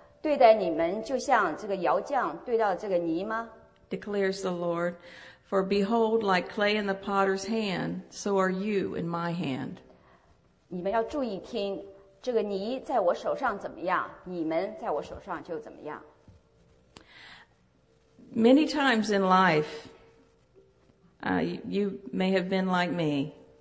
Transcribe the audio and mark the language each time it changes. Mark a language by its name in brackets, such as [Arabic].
[Chinese] 对待你们就像这个窑匠对到这个泥吗? [English] Declares the Lord, for behold, like clay in the potter's hand, so are you in my hand. [Chinese] 你们要注意听,这个泥在我手上怎么样,你们在我手上就怎么样。 [English] Many times in life, you may have been like me.